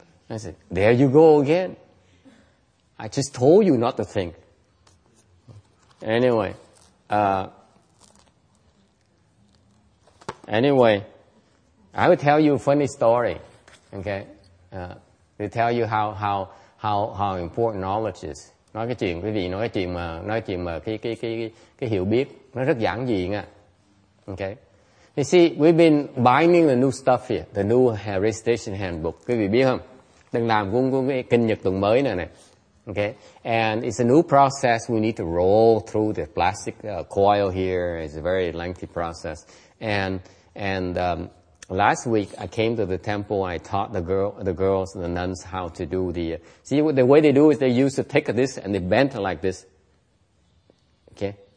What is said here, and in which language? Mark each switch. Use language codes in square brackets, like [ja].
[en] I said, there you go again. I just told you not to think. Anyway, I will tell you a funny story, okay? To tell you how important knowledge is. [vi] Nói cái chuyện, quý vị nói chuyện mà cái hiểu biết nó rất giản dị nha. [en] Okay? You see, we've been binding the new stuff here, the new registration handbook. [vi] Quý vị biết không? Đang làm cuốn cái kinh nhật tuần mới này nè. [en] Okay? And it's a new process. We need to roll through the plastic coil here. It's a very lengthy process. And last week I came to the temple. I taught the girls and the nuns how to do the way they do is they use to take this and they bend like this. Okay?